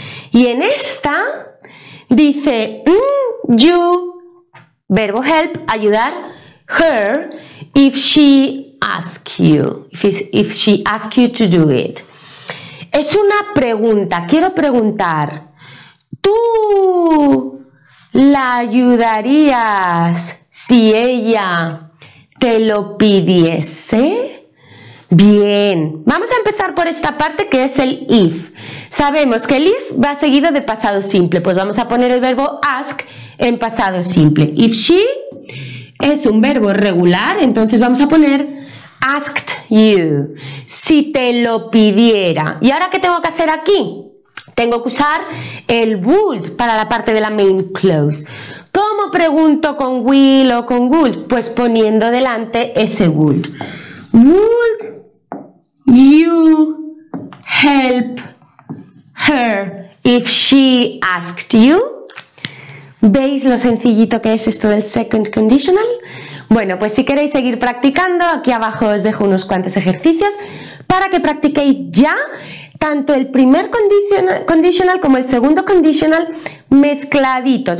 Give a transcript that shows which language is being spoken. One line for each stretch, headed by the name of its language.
Spanish: Y en esta dice,
English: you, verbo help, ayudar, her, if she asks you, if she asks you to do it.
Spanish: Es una pregunta, quiero preguntar, ¿tú la ayudarías si ella te lo pidiese? Bien, vamos a empezar por esta parte que es el if. Sabemos que el if va seguido de pasado simple, pues vamos a poner el verbo ask en pasado simple. If she es un verbo regular, entonces vamos a poner asked you, si te lo pidiera. ¿Y ahora qué tengo que hacer aquí? Tengo que usar el would para la parte de la main clause. ¿Cómo pregunto con will o con would? Pues poniendo delante ese would.
English: Would you help her if she asked you?
Spanish: ¿Veis lo sencillito que es esto del second conditional? Bueno, pues si queréis seguir practicando, aquí abajo os dejo unos cuantos ejercicios para que practiquéis ya tanto el primer conditional como el segundo conditional mezcladitos.